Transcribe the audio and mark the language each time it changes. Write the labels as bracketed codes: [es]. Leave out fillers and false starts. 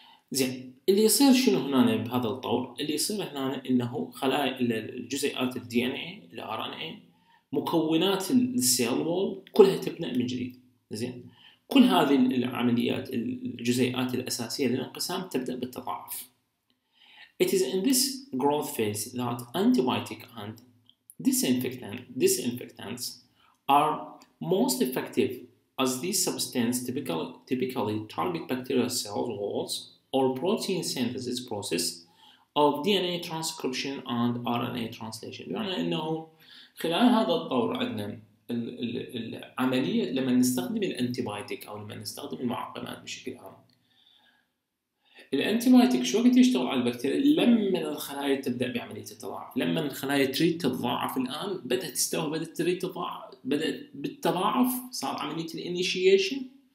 [ar] زين، اللي يصير شنو هنا بهذا الطور؟ اللي يصير هنا انه خلايا الجزيئات الدي ان اي الار ان اي مكونات السيل وول كلها تبنى من جديد. زين، كل هذه العمليات الجزيئات الاساسيه للانقسام تبدا بالتضاعف. [en] It is in this growth phase that antibiotic and disinfectants are most effective as these substances typically target bacterial cell walls or protein synthesis process of DNA transcription and RNA translation. [ar] يعني انه خلال هذا الطور عندنا العملية لما نستخدم الانتيبايتيك او لما نستخدم المعقمات بشكل عام، الانتيبايتيك شو وقت يشتغل على البكتيريا؟ لما الخلايا تبدأ بعملية التضاعف، لما الخلايا تريد تتضاعف الآن بدأت تستوي، بدأت تريد تضاعف، بدأت بالتضاعف، صار عملية الانيشيشن.